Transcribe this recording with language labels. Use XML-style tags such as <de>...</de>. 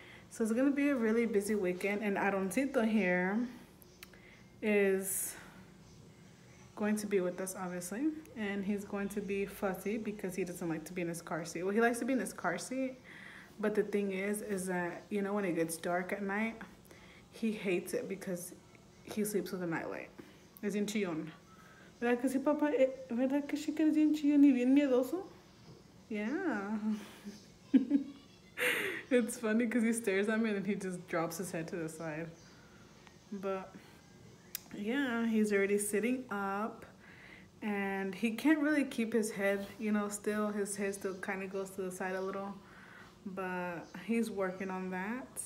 <en>So it's gonna be a really busy weekend, and Aroncito here is going to be with us, obviously, and he's going to be fussy because he doesn't like to be in his car seat. Well, he likes to be in his car seat, but the thing is that, you know, when it gets dark at night, he hates it because he sleeps with a nightlight.</en> <es>Es bien chillón. ¿Verdad que sí, papá? ¿Verdad que sí que es bien chillón y bien miedoso?</es> <en>Yeah. It's funny because he stares at me and he just drops his head to the side. But yeah, he's already sitting up, and he can't really keep his head, you know, still. His head still kind of goes to the side a little, but he's working on that.</en>